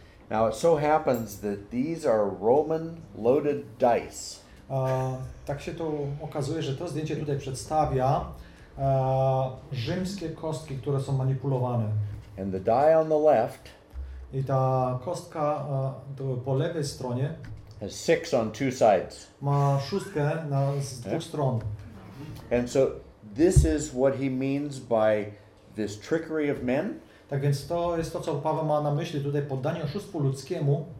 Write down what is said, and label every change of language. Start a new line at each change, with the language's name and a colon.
English: Now it so happens that these are Roman loaded dice.
Polish: Tak się to okazuje, że to zdjęcie tutaj przedstawia rzymskie kostki, które są manipulowane.
English: And the die on the left.
Polish: I ta kostka po lewej stronie.
English: Has six on two sides.
Polish: Ma szóstkę na z dwóch stron.
English: And so this is what he means by this trickery of men.
Polish: Tak więc to jest to, co Paweł ma na myśli tutaj, poddanie oszustwu ludzkiemu.